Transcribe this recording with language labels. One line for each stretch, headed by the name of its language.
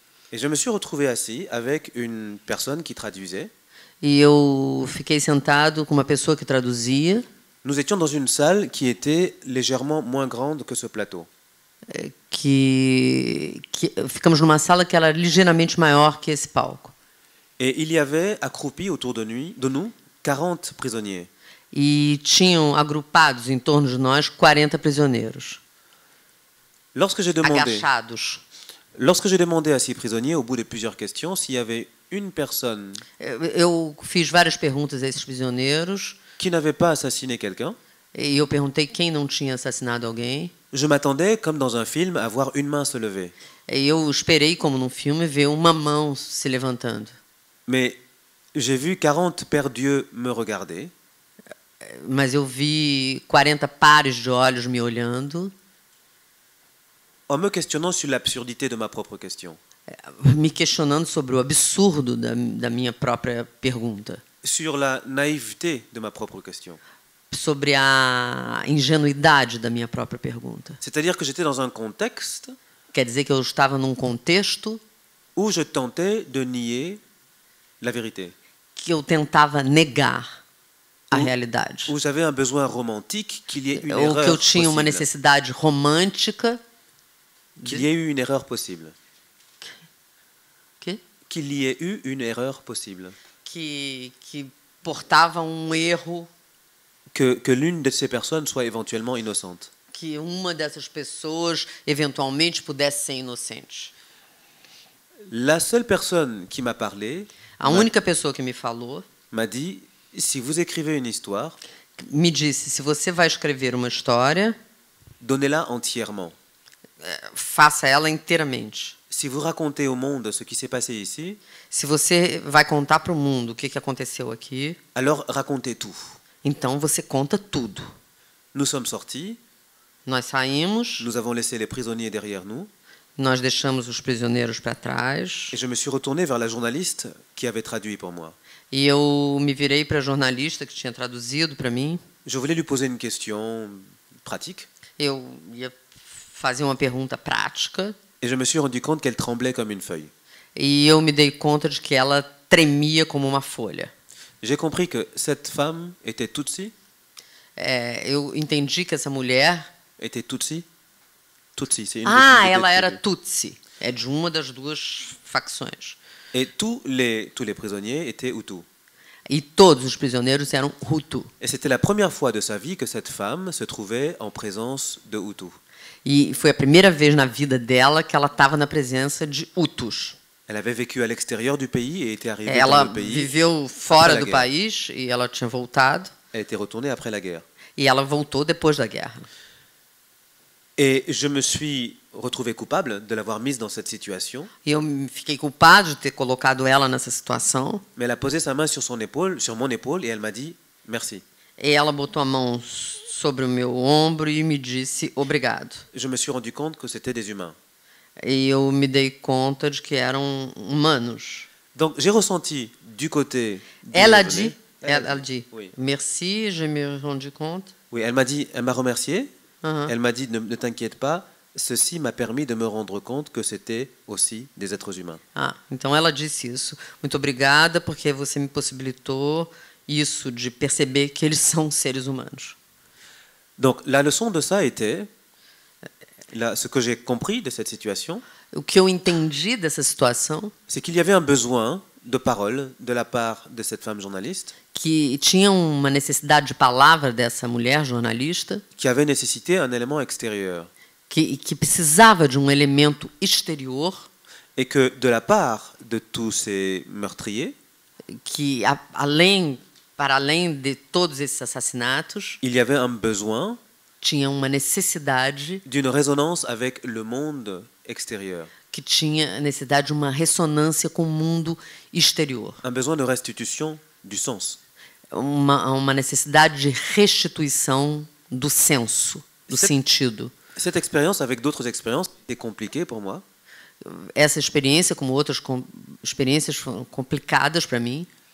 French: Et je me suis retrouvé assis avec une personne qui traduisait.
Portuguese: E eu fiquei sentado com uma pessoa que traduzia.
French: Nous étions dans une salle qui était légèrement moins grande que ce plateau.
Portuguese: Que ficamos numa sala que era ligeiramente maior que esse palco.
French: Et il y avait accroupi autour de nous 40 prisonniers.
Portuguese: E tinham agrupados em torno de nós 40 prisioneiros.
French: Lorsque j'ai demandé,
Portuguese: agachados.
French: Lorsque j'ai demandé à ces prisonniers, au bout de plusieurs questions, s'il y avait une personne.
Portuguese: Eu fiz várias perguntas a esses prisioneiros.
French: Qui n'avait pas assassiné quelqu'un.
Portuguese: Et eu perguntei quem não tinha assassinado alguém.
French: Je m'attendais, comme dans un film, à voir une main se lever.
Portuguese: Et eu esperei, como num filme, ver uma mão se levantando.
French: Mais j'ai vu 40 paires d'yeux me regarder.
Portuguese: Mas eu vi 40 pares de olhos me olhando.
French: En me questionnant sur l'absurdité de ma propre question.
Portuguese: Me questionnando sobre o absurdo da minha própria pergunta.
French: Sur la naïveté de ma propre question.
Portuguese: Sobre a ingenuidade da minha própria pergunta.
French: C'est-à-dire que j'étais dans un contexte.
Portuguese: Quer dizer que eu estava num contexto.
French: Où je tentais de nier la vérité.
Portuguese: Que eu tentava negar. A realidade.
French: Ou j'avais un besoin romantique qu'il y ait une erreur. Ou
Portuguese: que eu tinha possible. Uma necessidade romântica.
French: Qu'il y ait eu une erreur possible.
Portuguese: Que?
French: Qu'il y ait eu une erreur possible.
Portuguese: Que portava um erro.
French: Que l'une de ces personnes soit éventuellement innocente.
Portuguese: Que uma dessas pessoas eventualmente pudesse ser inocente.
French: La seule personne qui m'a parlé.
Portuguese: A única pessoa que me falou.
French: M'a dit. Si vous écrivez une histoire,
Portuguese: me disse, se você vai escrever uma história,
French: donnez-la entièrement.
Portuguese: Faça ela inteiramente.
French: Si vous racontez au monde ce qui s'est passé ici,
Portuguese: se você vai contar para o mundo o que aconteceu aqui,
French: alors racontez tout.
Portuguese: Então você conta tudo.
French: Nous sommes sortis.
Portuguese: Nós saímos.
French: Nous avons laissé les prisonniers derrière nous.
Portuguese: Nós deixamos os prisioneiros para trás.
French: Et je me suis retourné vers la journaliste qui avait traduit pour moi.
Portuguese: E eu me virei para a jornalista que tinha traduzido para mim.
French: Je voulais lui poser une question pratique.
Portuguese: Eu ia fazer uma pergunta prática.
French: Et je me suis rendu compte qu'elle tremblait comme une feuille.
Portuguese: E eu me dei conta de que ela tremia como uma folha.
French: J'ai compris que cette femme était Tutsi.
Portuguese: Eu entendi que essa mulher
French: était Tutsi. Tutsi, c'est
Portuguese: une. Ah, ela era Tutsi. É de uma das duas facções.
French: Et tous les prisonniers étaient Hutus.
Portuguese: Et todos os prisioneiros eram Hutu.
French: Et c'était la première fois de sa vie que cette femme se trouvait en présence de Hutus.
Portuguese: E foi a primeira vez na vida dela que ela estava na presença de Hutus.
French: Elle avait vécu à l'extérieur du pays et était arrivée
Portuguese: ela
French: dans le pays.
Portuguese: Ela viveu fora do país e ela tinha voltado.
French: Elle était retournée après la guerre.
Portuguese: E ela voltou depois da guerra.
French: Et je me suis retrouvé coupable de l'avoir mise dans cette situation.
Portuguese: E eu fiquei culpado de ter colocado ela nessa situação.
French: Mais elle a posé sa main sur son épaule, sur mon épaule et elle m'a dit merci.
Portuguese: E ela botou a mão sobre o meu ombro e me disse obrigado.
French: Je me suis rendu compte que c'était des humains.
Portuguese: E eu me dei conta de que eram humanos.
French: Donc j'ai ressenti du côté Elle a dit oui. Merci, je me suis rendu compte. Oui, elle m'a remercié. Uh-huh. Elle m'a dit ne t'inquiète pas. Ceci m'a permis de me rendre compte que c'était aussi des êtres humains.
Portuguese: Ah, então ela disse isso. Muito obrigada porque você me possibilitou isso de perceber que eles são seres humanos.
French: Donc la leçon de ça était là ce que j'ai compris de cette situation.
Portuguese: O que eu entendi dessa situação?
French: C'est qu'il y avait un besoin de parole de la part de cette femme journaliste.
Portuguese: Que tinha uma necessidade de palavra dessa mulher jornalista.
French: Qui avait nécessité un élément extérieur.
Portuguese: Que precisava de um elemento exterior.
French: Et que de la part de tous ces meurtriers,
Portuguese: que para além de todos esses assassinatos,
French: il y avait un besoin,
Portuguese: tinha uma necessidade
French: d'une résonance avec le monde extérieur.
Portuguese: Que tinha necessidade de uma ressonância com o mundo exterior.
French: Un besoin de restitution du sens.
Portuguese: Uma necessidade de restituição do senso, do sentido.
French: Cette expérience avec d'autres expériences était compliquée pour moi.
Portuguese: Essa experiência como outras experiências foram complicadas para mim.